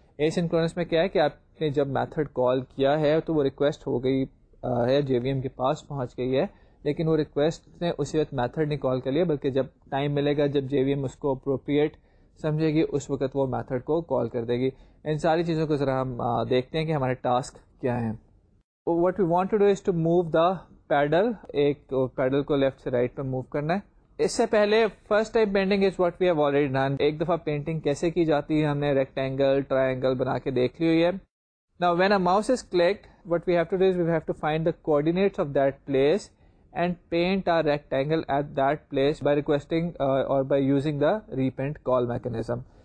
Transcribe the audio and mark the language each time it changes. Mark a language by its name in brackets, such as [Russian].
[Urdu] اے synchronous میں کیا ہے کہ آپ نے جب میتھڈ کال کیا ہے تو وہ ریکویسٹ ہو گئی ہے, جے وی ایم کے پاس پہنچ گئی ہے, لیکن وہ ریکویسٹ نے اسی وقت میتھڈ نہیں کال کر لیا بلکہ جب ٹائم ملے گا, جب جے وی ایم اس کو اپروپریٹ سمجھے گی اس وقت وہ میتھڈ کو کال کر دے گی. ان ساری چیزوں کو ذرا ہم دیکھتے ہیں کہ ہمارے ٹاسک کیا ہیں. [English] What we want to do is to move the pedal. [Urdu] ایک پیڈل کو لیفٹ سے رائٹ پہ موو کرنا ہے. اس سے پہلے [English] First type painting is what we have already done. [Urdu] ایک دفعہ پینٹنگ کیسے کی جاتی ہے ہم نے ریکٹینگل ٹرائنگل بنا کے دیکھ لی ہوئی ہے. [English] نا when a mouse is clicked what we have to do is we have to find the coordinates of that place and paint a rectangle at that place by requesting or by using the repaint call mechanism.